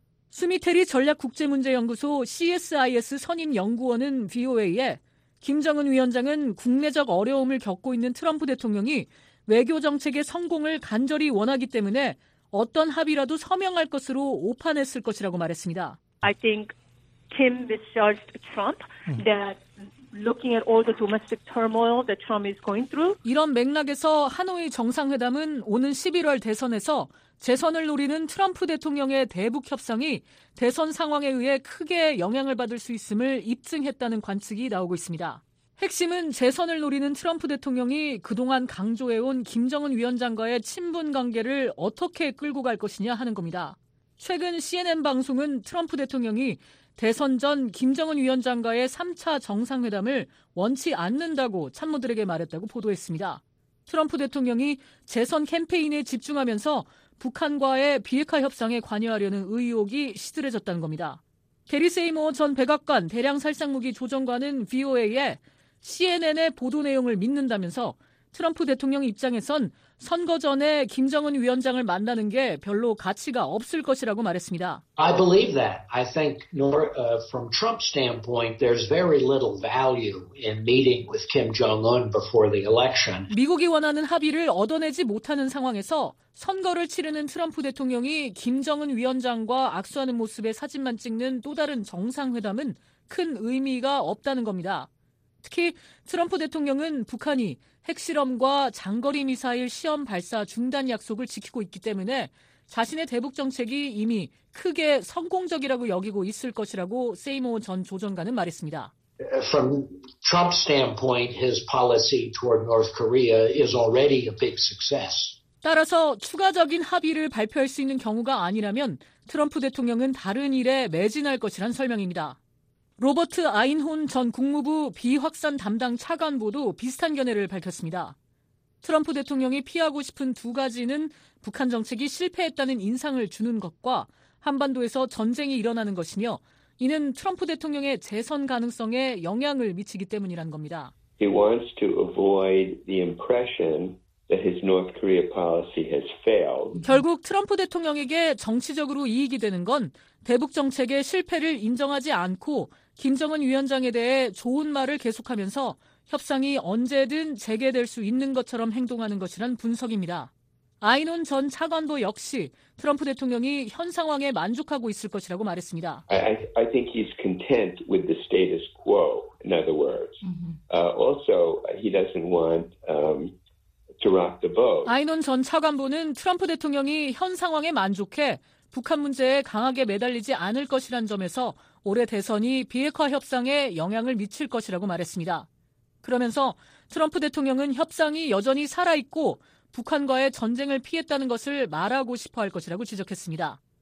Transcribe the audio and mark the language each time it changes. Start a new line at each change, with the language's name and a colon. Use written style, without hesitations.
Korean: 스미테리 전략국제문제연구소 CSIS 선임연구원은 VOA에 김정은 위원장은 국내적 어려움을 겪고 있는 트럼프 대통령이 외교정책의 성공을 간절히 원하기 때문에 어떤 합의라도 서명할 것으로 오판했을 것이라고 말했습니다.
English: I think Kim misjudged Trump that looking at all the domestic turmoil that Trump is going through.
Korean: 이런 맥락에서 하노이 정상회담은 오는 11월 대선에서 재선을 노리는 트럼프 대통령의 대북 협상이 대선 상황에 의해 크게 영향을 받을 수 있음을 입증했다는 관측이 나오고 있습니다. 핵심은 재선을 노리는 트럼프 대통령이 그동안 강조해온 김정은 위원장과의 친분 관계를 어떻게 끌고 갈 것이냐 하는 겁니다. 최근 CNN 방송은 트럼프 대통령이 대선 전 김정은 위원장과의 3차 정상회담을 원치 않는다고 참모들에게 말했다고 보도했습니다. 트럼프 대통령이 재선 캠페인에 집중하면서 북한과의 비핵화 협상에 관여하려는 의혹이 시들해졌다는 겁니다. 게리 세이머 전 백악관 대량살상무기 조정관은 VOA에 CNN의 보도 내용을 믿는다면서 트럼프 대통령 입장에선 선거 전에 김정은 위원장을 만나는 게 별로 가치가 없을 것이라고 말했습니다.
English: I believe that. I think from Trump's standpoint, there's very little value in meeting with Kim Jong-un before the election.
Korean: 미국이 원하는 합의를 얻어내지 못하는 상황에서 선거를 치르는 트럼프 대통령이 김정은 위원장과 악수하는 모습의 사진만 찍는 또 다른 정상회담은 큰 의미가 없다는 겁니다. 특히 트럼프 대통령은 북한이 핵실험과 장거리 미사일 시험 발사 중단 약속을 지키고 있기 때문에 자신의 대북 정책이 이미 크게 성공적이라고 여기고 있을 것이라고 세이머 전 조정관은 말했습니다.
English: From Trump's standpoint, his policy toward North Korea is already a big success.
Korean: 따라서 추가적인 합의를 발표할 수 있는 경우가 아니라면 트럼프 대통령은 다른 일에 매진할 것이란 설명입니다. 로버트 아인혼 전 국무부 비확산 담당 차관보도 비슷한 견해를 밝혔습니다. 트럼프 대통령이 피하고 싶은 두 가지는 북한 정책이 실패했다는 인상을 주는 것과 한반도에서 전쟁이 일어나는 것이며 이는 트럼프 대통령의 재선 가능성에 영향을 미치기 때문이라는 겁니다.
English: He wants to avoid the impression that his North Korea policy has failed.
Korean: 결국 트럼프 대통령에게 정치적으로 이익이 되는 건 대북 정책의 실패를 인정하지 않고 김정은 위원장에 대해 좋은 말을 계속하면서 협상이 언제든 재개될 수 있는 것처럼 행동하는 것이란 분석입니다. 아인혼 전 차관도 역시 트럼프 대통령이 현 상황에 만족하고 있을 것이라고 말했습니다.
English: I think he's content with the status quo, in other words. Also, he doesn't want to rock the boat.
Korean: 아인혼 전 차관보는 트럼프 대통령이 현 상황에 만족해 북한 문제에 강하게 매달리지 않을 것이란 점에서 올해 대선이 비핵화 협상에 영향을 미칠 것이라고 말했습니다. 그러면서 트럼프 대통령은 협상이 여전히 살아있고 북한과의 전쟁을 피했다는 것을 말하고 싶어할 것이라고 지적했습니다.